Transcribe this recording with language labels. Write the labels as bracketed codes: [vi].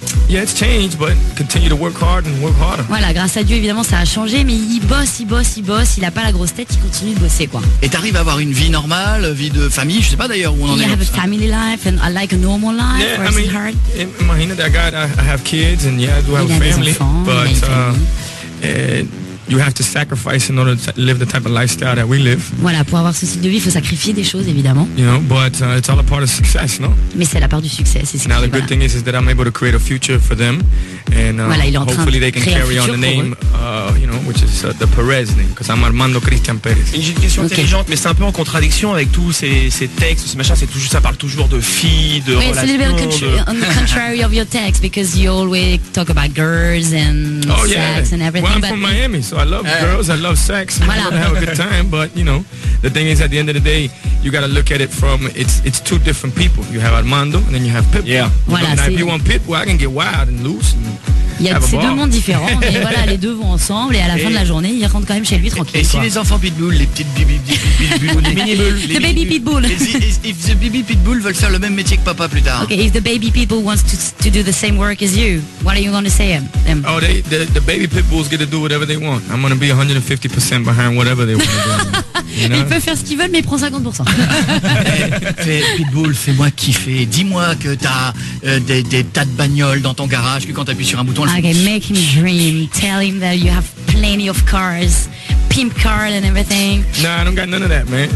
[en] Yeah, it's changed, but continue to work hard and work harder. [fr] Voilà, grâce à Dieu, évidemment, ça a changé, mais il bosse, il a pas la grosse tête, il continue de bosser, quoi. Et t'arrives à avoir une vie normale, vie de famille, je sais pas d'ailleurs où on en est. [en] You have a family life and I like a normal life. Yeah, I mean, hard? Imagine that I have kids and yeah, I do have a family. But you have to sacrifice in order to live the type of lifestyle that we live. [fr] Voilà, pour avoir ce style de vie, il faut sacrifier des choses, évidemment. [en] You know, but it's all a part of success, no? [fr] Mais c'est la part du succès, c'est ce [en] Now, the good thing is that I'm able to create a future for them. And [fr] voilà, il est en train [en] hopefully they can carry on the name, you know, which is the Perez name, because I'm Armando Cristian Perez. [fr] Une question intelligente, mais c'est un peu en contradiction avec tous ces textes, ce machin, c'est toujours, ça parle toujours de filles, de relations. [en] It's a little bit on the contrary of your text, because you always talk about girls and sex and everything. Well, I'm from Miami, so I love girls, I love sex, voilà. I have a good time, but you know, the thing is, at the end of the day, you gotta look at it from, it's two different people. You have Armando, and then you have Pitbull. Yeah. Voilà, if you want Pitbull, I can get wild and loose and [fr] Il y a ces deux mondes différents, mais voilà, les deux vont ensemble et à la fin de la journée, ils rentrent quand même chez lui tranquille. Et si les enfants pitbull, les petites bibi pitbull, les mini bulls, [en] the baby pitbull, if the baby pitbull [fr] veulent faire le même métier que papa plus tard. [en] Okay, if the baby pitbull wants to do the same work as you, what are you going to say them? Oh, the baby pitbulls get to do whatever they want. I'm going to be 150% behind whatever they want. You know? [fr] Ils peuvent faire ce qu'ils veulent, mais prends 50%. Fais, pitbull, fais-moi kiffer. Dis-moi que t'as des tas de bagnoles dans ton garage, que quand t'appuies sur un bouton, [en] Okay, make him dream. Tell him that you have plenty of cars, pimp cars and everything. No, I don't got none of that, man.